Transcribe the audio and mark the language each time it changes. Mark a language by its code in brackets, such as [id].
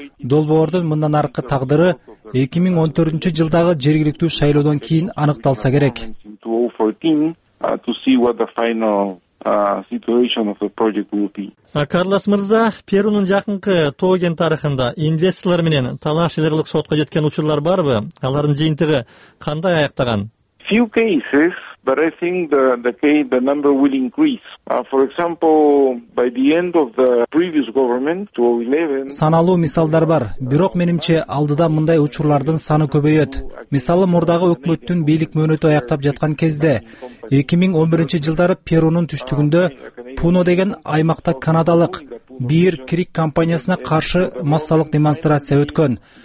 [ky] Долбоордун мындан аркы тагдыры 2014 жылдагы жергиликтүү шайлоодон кийин аныкталса керек. [en] Situation of the project will be. [ky] Карлас мырза, Перунун жакынкы тоо кен тарыхында инвесторлор менен талашчыларлык сотко жеткен учурлар барбы? Алардын жыйынтыгы кандай аяктаган? [en] Few cases, but I think the number will increase. For example, by the end of the previous government, 2011. [ky] Саналуу мисалдар бар, бирок менимче алдыда мындай учурлардын саны көбөйөт. Мисалы, мурдагы өкмөттүн бийлик мөөнөтү аяктап жаткан кезде 2011 жылдары Перунун түштүгүндө Пуно деген аймакта канадалык Бир Крик компаниясына каршы массалык демонстрация өткөн.